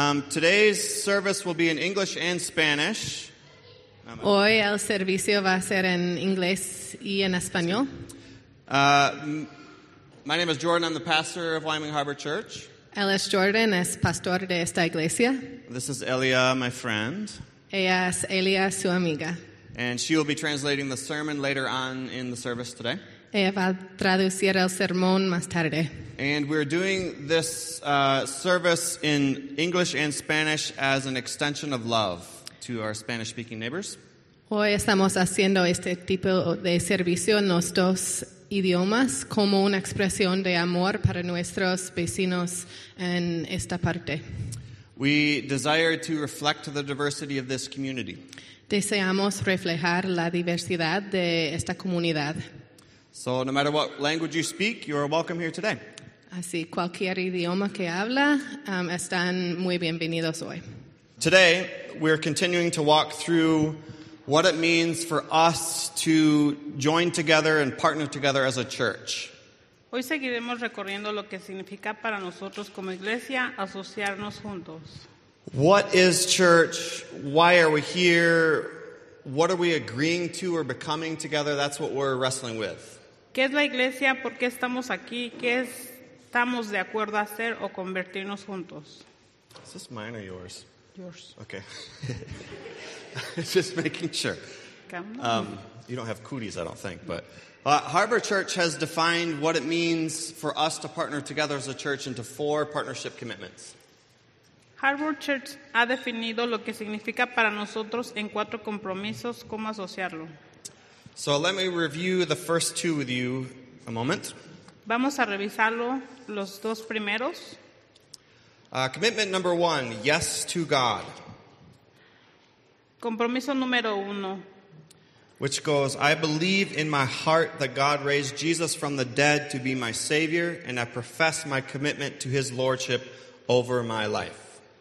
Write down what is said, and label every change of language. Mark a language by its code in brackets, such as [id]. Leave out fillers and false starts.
[en] Today's service will be in English and Spanish. [es] Hoy el servicio va a ser en inglés y en español. [en] My name is Jordan. I'm the pastor of Wyoming Harbor Church. [es] Él es Jordan, es pastor de esta iglesia. [en] This is Elia, my friend. [es] Ella es Elia, su amiga. [en] And she will be translating the sermon later on in the service today. [es] Ella va a traducir el sermón más tarde. [en] And we're doing this service in English and Spanish as an extension of love to our Spanish-speaking neighbors. [es] Hoy estamos haciendo este tipo de servicio en los dos idiomas como una expresión de amor para nuestros vecinos en esta parte. [en] We desire to reflect the diversity of this community. [es] Deseamos reflejar la diversidad de esta comunidad. [en] So no matter what language you speak, you are welcome here today. [es] Así, cualquier idioma que habla, están muy bienvenidos hoy. [en] Today, we are continuing to walk through what it means for us to join together and partner together as a church. [es] Hoy seguiremos recorriendo lo que significa para nosotros como iglesia asociarnos juntos. [en] What is church? Why are we here? What are we agreeing to or becoming together? That's what we're wrestling with. [es] ¿Qué es la iglesia? ¿Por qué estamos aquí? ¿Qué estamos de acuerdo a hacer o convertirnos juntos? [en] Is this mine or yours? Yours. Okay. Just making sure. Come on. You don't have cooties, I don't think. But Harbor Church has defined what it means for us to partner together as a church into four partnership commitments. [es] Harbor Church ha definido lo que significa para nosotros en cuatro compromisos, cómo asociarlo. [en] So let me review the first two with you a moment. [es] Vamos a revisarlo, los dos primeros. [en] Commitment number one, yes to God. [es] Compromiso número uno. [en] Which goes, I believe in my heart that God raised Jesus from the dead to be my Savior, and I profess my commitment to his lordship over my life.